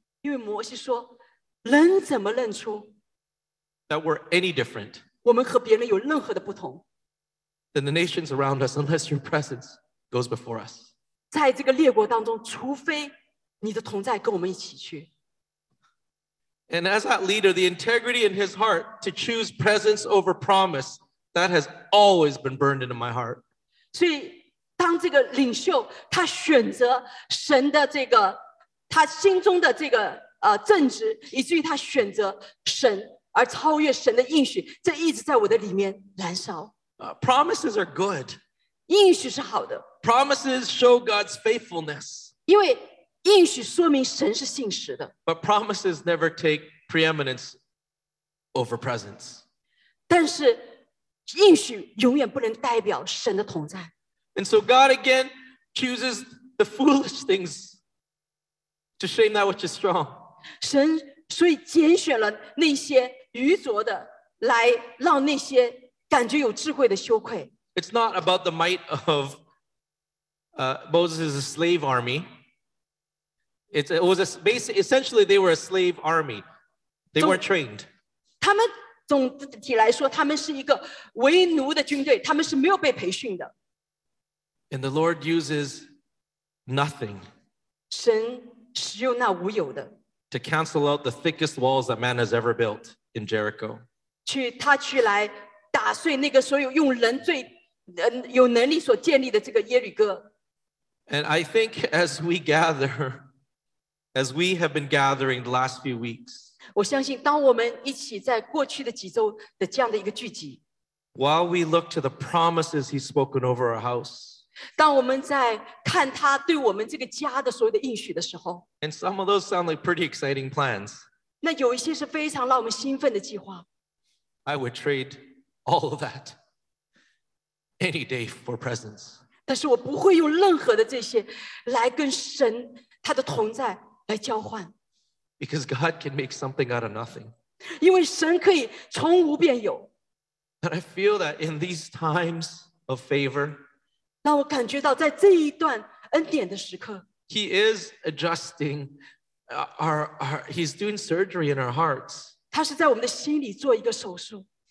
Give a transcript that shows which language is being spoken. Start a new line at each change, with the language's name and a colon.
Chinese: 因为摩西说，人怎么认出
English: that we're any different
Chinese: 我们和别人有任何的不同
English: than the nations around us unless your presence goes before us.
Chinese: 在这个列国当中，除非你的同在跟我们一起去。
English: And as that leader, the integrity in his heart to choose presence over promise, that has always been burned into my heart.
Chinese: 所以当这个领袖他选择神的这个他心中的这个正直以至于他选择神而超越神的应许这一直在我的里面燃烧。
English: Promises are good.
Chinese: 应许是好的。
English: Promises show God's faithfulness.
Chinese: 因为应许说明神是信实的。
English: But promises never take preeminence over presence.
Chinese: 但是应许永远不能代表神的同在。
English: And so God again chooses the foolish things to shame that which is strong.
Chinese: 神所以拣选了那些愚拙的来让那些感觉有智慧的羞愧。
English: It's not about the might of Moses' slave army. Essentially they were a slave army. They weren't trained.
Chinese: 他们总体来说他们是一个为奴的军队他们是没有被培训的。
English: And the Lord uses nothing
Chinese: 神使用那无有的
English: to cancel out the thickest walls that man has ever built in Jericho.
Chinese: 他去来打碎那个所有用人最有能力所建立的这个耶律哥。
English: And I think as we have been gathering the last few weeks,
Chinese: 我相信当我们一起在过去的几周的这样的一个聚集
English: while we look to the promises he's spoken over our house,
Chinese: 当我们在看他对我们这个家的所有的应许的时候
English: And some of those sound like pretty exciting plans.
Chinese: 那有一些是非常让我们兴奋的计划。
English: I would trade all of that any day for presence.
Chinese: 但是我不会用任何的这些来跟神他的同在来交换。
English: Because God can make something out of nothing.
Chinese: 因为神可以从无变有。
English: And I feel that in these times of favor,
Chinese: 让我感觉到在这一段恩典的时刻,
English: He is adjusting he's doing surgery in our hearts.
Chinese: 他是在我们的心里做一个手术。